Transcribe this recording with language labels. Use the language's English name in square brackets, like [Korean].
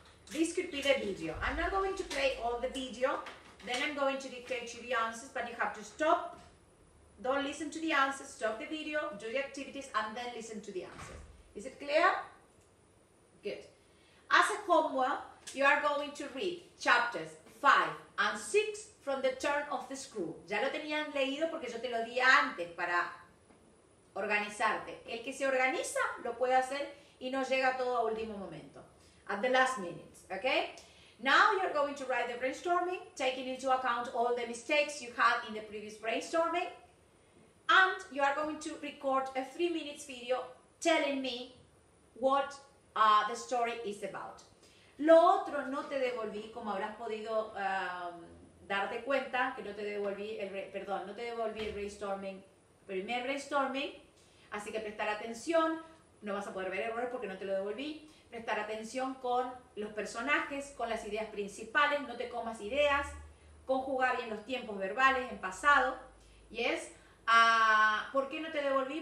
[English] This could be the video. I'm not going to play all the video. Then I'm going to dictate you the answers, but you have to stop. Don't listen to the answers, stop the video, do the activities, and then listen to the answers. Is it clear? Good. As a homework, you are going to read chapters 5 and 6 from the turn of the screw. [Spanish] Ya lo tenían leído porque yo te lo di antes para organizarte. El que se organiza lo puede hacer y no llega todo a último momento. [English] At the last minute, okay? Now you're going to write the brainstorming, taking into account all the mistakes you had in the previous brainstorming. And you are going to record a 3 minutes video telling me what the story is about. [Spanish] Lo otro no te devolví, como habrás podido darte cuenta, que no te devolví el brainstorming, primer brainstorming, así que prestar atención, no vas a poder ver errores porque no te lo devolví, prestar atención con los personajes, con las ideas principales, no te comas ideas, conjugar bien los tiempos verbales en pasado, yes. ¿Por qué no te devolví?